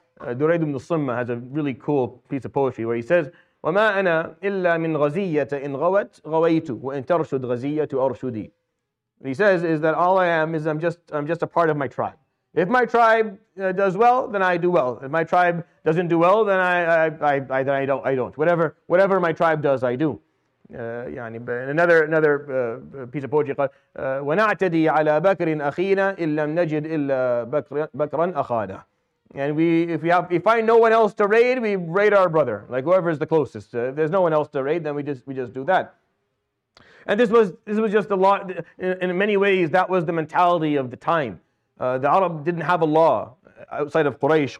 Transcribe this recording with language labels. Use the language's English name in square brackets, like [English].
[English] Durayd ibn Simma has a really cool piece of poetry where he says, [Arabic] وَمَا أَنَا إِلَّا مِنْ غَزِيَّةَ إِنْ غَوَتْ غَوَيْتُ وَإِنْ تَرْشُدْ غَزِيَّةُ أَرْشُدِي. [English] What he says is that all I am is I'm just a part of my tribe. If my tribe does well, then I do well. If my tribe doesn't do well, then I don't. Whatever my tribe does, I do. Another piece of poetry called [Arabic] وَنَعْتَدِي عَلَىٰ بَكْرٍ أَخِينَا إِنْ لَمْ نَجِدْ إِلَّا بَكْرًا أَخَانَا. [English] And if we find no one else to raid, we raid our brother, like whoever is the closest. If there's no one else to raid, then we just do that. And this was just a lot. In many ways, that was the mentality of the time. The Arab didn't have a law outside of Quraysh.